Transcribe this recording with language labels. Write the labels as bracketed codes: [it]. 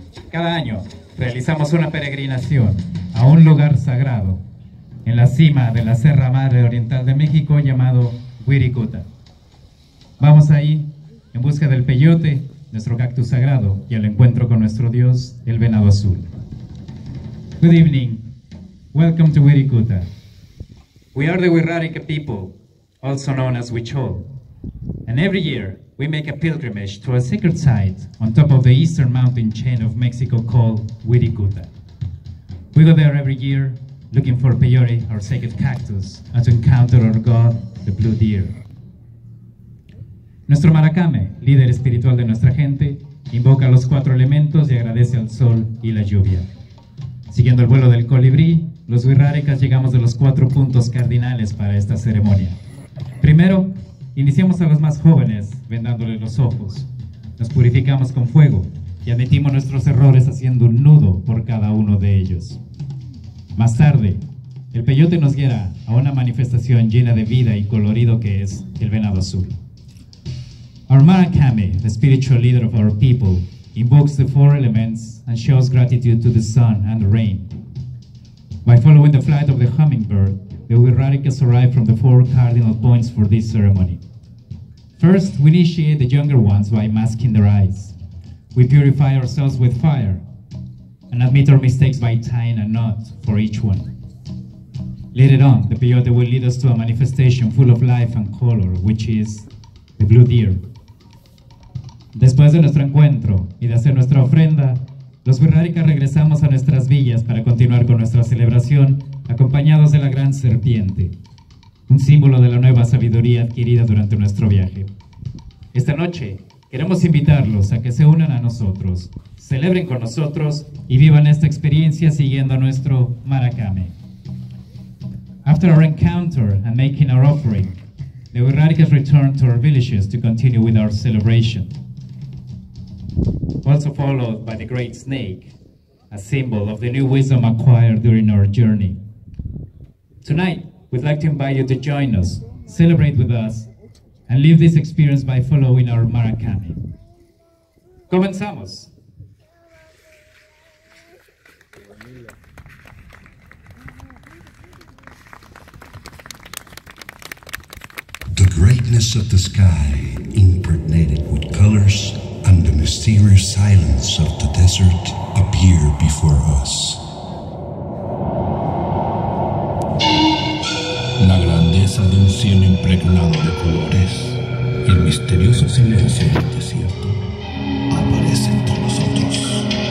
[es] Cada año realizamos una peregrinación a un lugar sagrado en la cima de la Sierra Madre Oriental de México llamado Wirikuta. Vamos ahí en busca del peyote, nuestro cactus sagrado, y el encuentro con nuestro dios, el venado azul. [en] Good evening. Welcome to Wirikuta. We are the Wixárika people, also known as Huichol. And every year, we make a pilgrimage to a sacred site on top of the eastern mountain chain of Mexico called Wirikuta. We go there every year, looking for peyote, our sacred cactus, and to encounter our god, the blue deer. [es] Nuestro maracame, líder espiritual de nuestra gente, invoca los cuatro elementos y agradece al sol y la lluvia. Siguiendo el vuelo del colibrí, los Wixárikas llegamos a los cuatro puntos cardinales para esta ceremonia. Primero, iniciamos a los más jóvenes vendándole los ojos. Nos purificamos con fuego y admitimos nuestros errores haciendo un nudo por cada uno de ellos. Más tarde, el peyote nos guiará a una manifestación llena de vida y colorido que es el venado azul. [en] Our Maracame, the spiritual leader of our people, invokes the four elements and shows gratitude to the sun and the rain. By following the flight of the hummingbird, the Wixárikas arrive from the four cardinal points for this ceremony. First, we initiate the younger ones by masking their eyes. We purify ourselves with fire and admit our mistakes by tying a knot for each one. Later on, the peyote will lead us to a manifestation full of life and color, which is the blue deer. [es] Después de nuestro encuentro y de hacer nuestra ofrenda, los Wixárikas regresamos a nuestras villas para continuar con nuestra celebración acompañados de la gran serpiente, un símbolo de la nueva sabiduría adquirida durante nuestro viaje. Esta noche queremos invitarlos a que se unan a nosotros, celebren con nosotros y vivan esta experiencia siguiendo nuestro maracame. [en] After our encounter and making our offering, the Wixárikas return to our villages to continue with our celebration. Also followed by the great snake, a symbol of the new wisdom acquired during our journey. Tonight, we'd like to invite you to join us, celebrate with us, and live this experience by following our maracame. [es] ¡Comenzamos! [en] The greatness of the sky, impregnated with colors, and the mysterious silence of the desert appear before us. [es] La grandeza de un cielo impregnado de colores y el misterioso silencio del desierto aparece ante nosotros.